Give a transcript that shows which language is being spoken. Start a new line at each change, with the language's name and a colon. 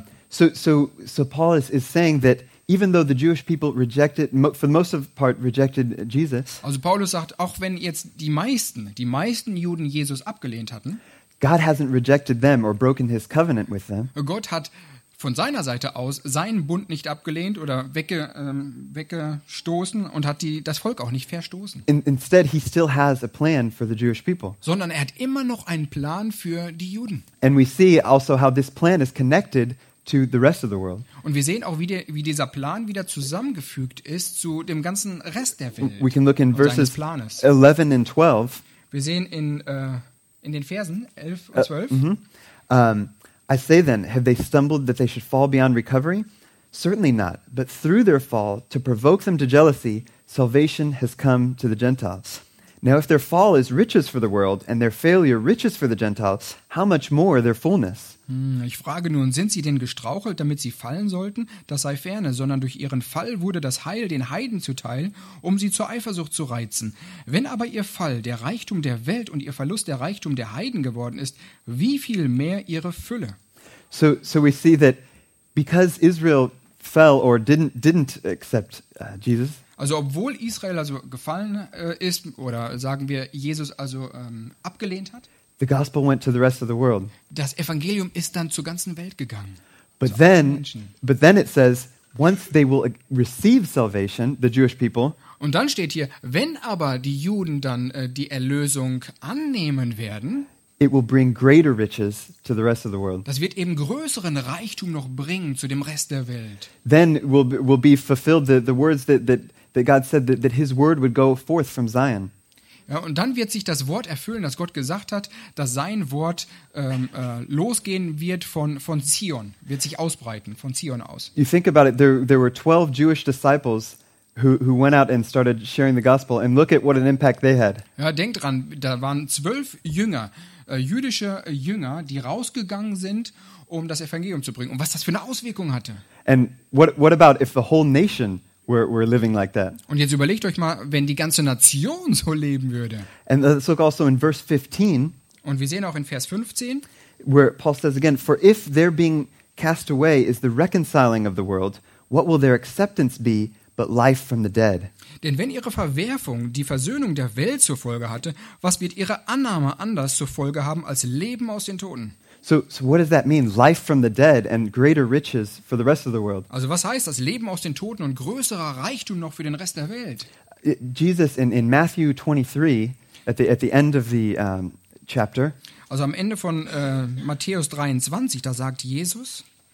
English: So Paul is saying that even though the Jewish people rejected, for the most of part rejected Jesus.
German: Also Paulus sagt, auch wenn jetzt die meisten Juden Jesus abgelehnt hatten,
English: God hasn't rejected them or broken his covenant with them.
German: Gott hat von seiner Seite aus seinen Bund nicht abgelehnt oder weggestoßen und hat das Volk auch nicht verstoßen.
English: Instead he still has a plan for the Jewish people.
German: Sondern er hat immer noch einen Plan für die Juden.
English: And we see also how this plan is connected to the rest of the world.
German: Und wir sehen auch wie dieser Plan wieder zusammengefügt ist zu dem ganzen Rest der Welt.
English: We can look in verses 11 and 12.
German: Wir sehen in den Versen 11 und 12.
English: I say then, have they stumbled that they should fall beyond recovery? Certainly not, but through their fall, to provoke them to jealousy, salvation has come to the Gentiles. Now if their fall is riches for the world and their failure riches for the Gentiles, how much more their fullness?
German: Ich frage nun, sind sie denn gestrauchelt, damit sie fallen sollten? Das sei ferne, sondern durch ihren Fall wurde das Heil den Heiden zuteil, um sie zur Eifersucht zu reizen. Wenn aber ihr Fall der Reichtum der Welt und ihr Verlust der Reichtum der Heiden geworden ist, wie viel mehr ihre Fülle?
English: So we see that because Israel fell or didn't accept Jesus.
German: Also obwohl Israel also gefallen ist oder sagen wir Jesus also abgelehnt hat.
English: The gospel went to the rest of the world.
German: Das Evangelium ist dann zur ganzen Welt gegangen.
English: But then it says, once they will receive salvation, the Jewish people.
German: Und dann steht hier, wenn aber die Juden dann die Erlösung annehmen werden,
English: it will bring greater riches to the rest of the world.
German: Das wird eben größeren Reichtum noch bringen zu dem Rest der Welt.
English: Then will be fulfilled the words that God said that his word would go forth from Zion.
German: Ja, und dann wird sich das Wort erfüllen, das Gott gesagt hat, dass sein Wort losgehen wird von Zion, wird sich ausbreiten von Zion aus.
English: You think about it, there were 12 Jewish disciples who went out and started sharing the gospel, and look at what an impact they had.
German: Ja, denk dran, da waren 12 Jünger, jüdische Jünger, die rausgegangen sind, um das Evangelium zu bringen. Und was das für eine Auswirkung hatte.
English: And what about if the whole nation were living like that?
German: Und jetzt überlegt euch mal, wenn die ganze Nation so leben würde.
English: And let's look also in verse 15.
German: Und wir sehen auch in Vers 15,
English: where Paul says again, for if their being cast away is the reconciling of the world, what will their acceptance be but life from the dead?
German: Denn wenn ihre Verwerfung die Versöhnung der Welt zur Folge hatte, was wird ihre Annahme anders zur Folge haben als Leben aus den Toten?
English: So what does that mean? Life from the dead and greater riches for the rest of the world.
German: Also was heißt das? Leben aus den Toten und größerer Reichtum noch für den Rest der Welt?
English: Jesus in Matthew 23, at the end of the chapter.
German: Also am Ende von Matthäus 23, da sagt Jesus,